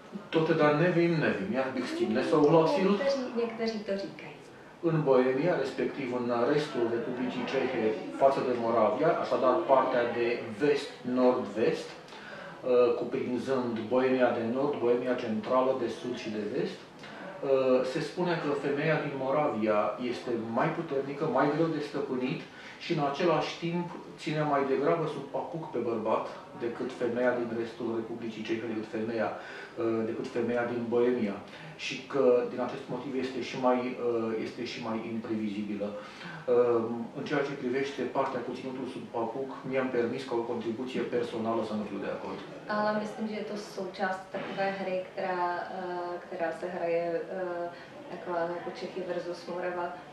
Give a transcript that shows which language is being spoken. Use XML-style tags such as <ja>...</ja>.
<cs>To teda nevím, jak bych s tím nesouhlasil. Někteří to říkají.</cs> <ro>În Boemia, respectiv în restul Republicii Cehe față de Moravia, așadar partea de vest-nord-vest, cuprinzând Boemia de nord, Boemia centrală, de sud și de vest, se spune că femeia din Moravia este mai puternică, mai greu de stăpânit și în același timp ține mai degrabă sub papuc pe bărbat decât femeia din restul Republicii Cehe, decât femeia din Boemia. Și că din acest motiv este și mai imprevizibilă. În ceea ce privește partea cu ținutul sub papuc, mi-am permis ca o contribuție personală să nu fiu de acord.</ro> <cs>Ale myslím, že je to součást takové hry, která se hraje jako Čechy versus Morava.</cs>